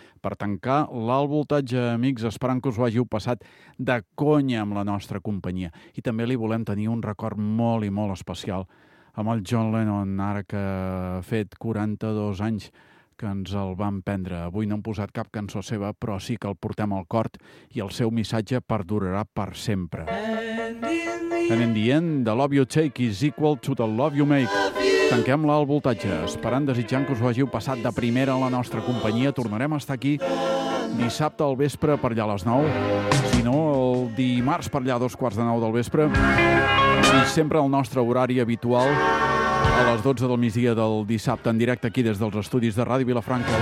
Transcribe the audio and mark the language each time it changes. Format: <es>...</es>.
<ca>Per tancar l'alt voltatge, amics, esperant que us ho hàgiu passat de conya amb la nostra companyia. I també li volem tenir un record molt i molt especial amb el John Lennon, ara que ha fet 42 anys que ens el van prendre. Avui no hem posat cap cançó seva, però sí que el portem al cor i el seu missatge perdurarà per sempre.</ca> <en>And in the end, the love you take is equal to the love you make.</en> <ca>Tanquem l'alt voltatge, esperant, desitjant que us ho hàgiu passat de primera a la nostra companyia. Tornarem a estar aquí dissabte al vespre per allà a les 9, si no, el dimarts per allà a 8:45 del vespre, i sempre al nostre horari habitual, a les 12 del migdia del dissabte, en directe aquí des dels estudis de Ràdio Vilafranca.</ca>